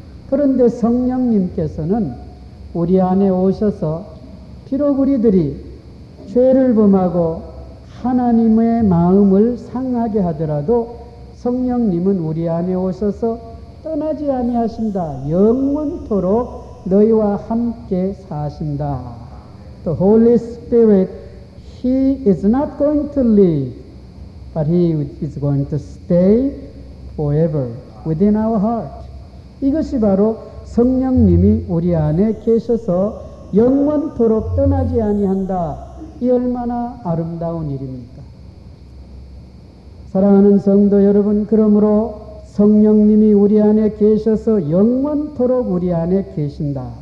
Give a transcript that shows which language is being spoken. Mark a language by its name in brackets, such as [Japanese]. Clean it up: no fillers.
[Korean] 그런데 성령님께서는 우리 안에 오셔서 비록 우리들이 죄를 범하고 하나님의 마음을 상하게 하더라도 성령님은 우리 안에 오셔서 떠나지 아니하신다. 영원토록 너희와 함께 사신다. [English] The Holy Spirit, He is not going to leave, but He is going to stay forever within our heart. [Korean] 이것이 바로 성령님이 우리 안에 계셔서 영원토록 떠나지 아니한다. 이 얼마나 아름다운 일입니다. 사랑하는 성도 여러분, 그러므로 성령님이 우리 안에 계셔서 영원토록 우리 안에 계신다.